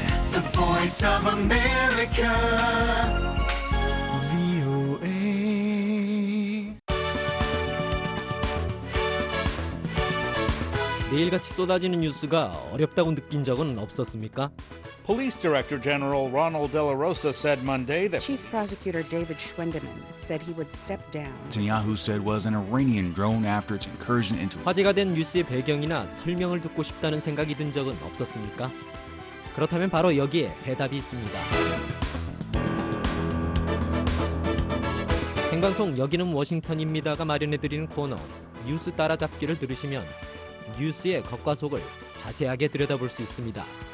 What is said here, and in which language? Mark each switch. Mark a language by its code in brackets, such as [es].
[en] The Voice of America. [ko] 매일같이 쏟아지는 뉴스가 어렵다고 느낀 적은 없었습니까? [en] Police Director General Ronald De La Rosa said Monday that Chief Prosecutor David Schwendeman said he would step down. Netanyahu said was an Iranian drone after its incursion into [ko] 화제가 된 뉴스의 배경이나 설명을 듣고 싶다는 생각이 든 적은 없었습니까? 그렇다면 바로 여기에 해답이 있습니다. 생방송 여기는 워싱턴입니다가 마련해드리는 코너 뉴스 따라잡기를 들으시면 뉴스의 겉과 속을 자세하게 들여다볼 수 있습니다.